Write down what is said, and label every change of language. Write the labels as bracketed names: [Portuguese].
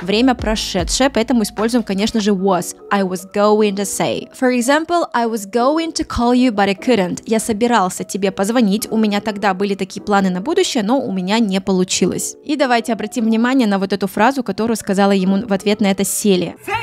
[Russian] Время прошедшее, поэтому используем, конечно же, was. [English] I was going to say. For example, I was going to call you, but I couldn't. [Russian] Я собирался тебе позвонить, у меня тогда были такие планы на будущее, но у меня не получилось. И давайте обратим внимание на вот эту фразу, которую сказала ему в ответ на это Селия.